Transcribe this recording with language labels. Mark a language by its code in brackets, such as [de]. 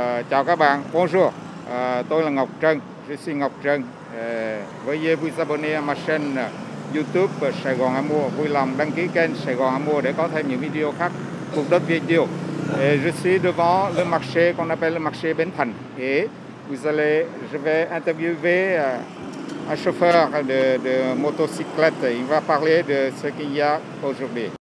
[vi] Chào các bạn, bonjour, tôi là Ngọc Trân, [fr] je suis Ngọc Trân. Veuillez vous abonner à ma chaîne YouTube Sài Gòn Amour. [vi] Vui lòng đăng ký kênh Sài Gòn Amour để có thêm những video khác cùng đất Việt Kiều. [fr] Je suis devant le marché qu'on appelle le marché Bến Thành. Je vais interviewer un chauffeur de motocyclette. Il va parler de ce qu'il y a aujourd'hui.